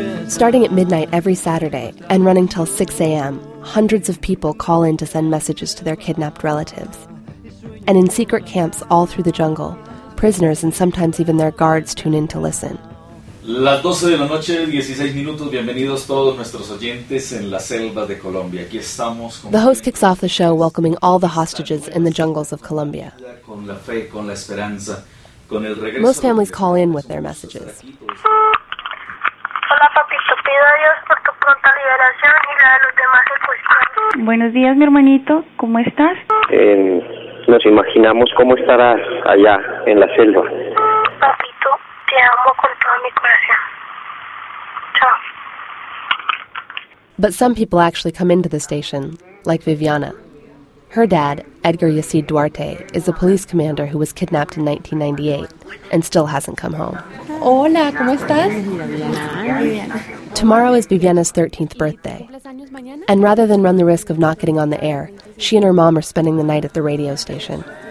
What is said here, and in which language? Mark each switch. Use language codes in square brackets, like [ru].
[en] Starting at midnight every Saturday and running till 6 a.m., hundreds of people call in to send messages to their kidnapped relatives. And in secret camps all through the jungle, prisoners and sometimes even their guards tune in to listen. [es] Las 12 de la noche, 16 minutos. Bienvenidos todos nuestros oyentes en la selva de Colombia. Aquí estamos con [en] the host kicks off the show welcoming all the hostages in the jungles of Colombia. [es] Con la fe, con la esperanza. [en] Most families call in with their messages. [es] Hola, papito. Pido a Dios por tu pronta liberación y la de los demás secuestrados. Buenos días, mi hermanito. ¿Cómo estás? Nos imaginamos cómo estarás allá en la selva. Papito, te amo con todo mi corazón. Chao. [en] But some people actually come into the station, like Viviana. Her dad, Edgar Yacid Duarte, is a police commander who was kidnapped in 1998 and still hasn't come home. [es] Hola, ¿cómo estás? [en] Tomorrow is Viviana's 13th birthday. And rather than run the risk of not getting on the air, she and her mom are spending the night at the radio station.